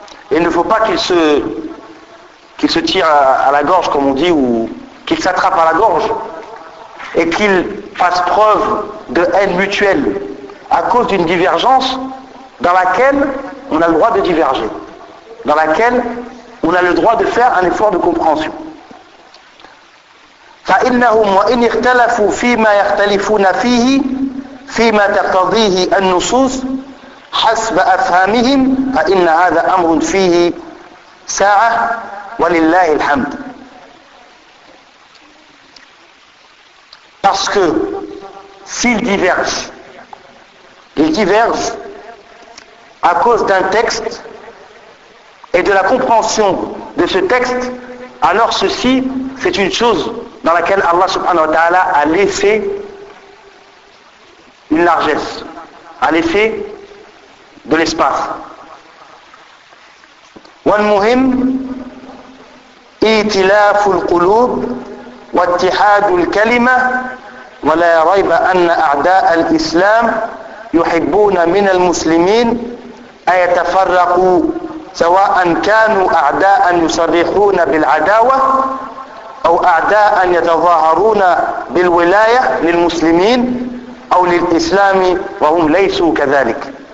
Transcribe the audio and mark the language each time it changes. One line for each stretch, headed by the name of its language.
French: Il ne faut pas qu'ils se tirent à la gorge, comme on dit, ou qu'ils s'attrapent à la gorge, et qu'ils fassent preuve de haine mutuelle à cause d'une divergence dans laquelle on a le droit de diverger, dans laquelle on a le droit de faire un effort de compréhension.
Arabic: فإنهم وإن اختلفوا فيما يختلفون فيه فيما تقتضيه النصوص حسب أفهامهم فإن هذا أمر فيه ساعة ولله الحمد.
French: Parce que s'ils divergent, ils divergent à cause d'un texte et de la compréhension de ce texte, alors ceci, c'est une chose dans laquelle Allah
Arabic: subhanahu wa ta'ala
French: a laissé une largesse, a laissé de l'espace.
Arabic: والمهم ائتلاف القلوب واتحاد الكلمة ولا ريب أن أعداء الإسلام يحبون من المسلمين أن يتفرقوا سواء كانوا أعداء يصرحون بالعداوة أو أعداء يتظاهرون بالولاية للمسلمين أو للإسلام وهم ليسوا كذلك.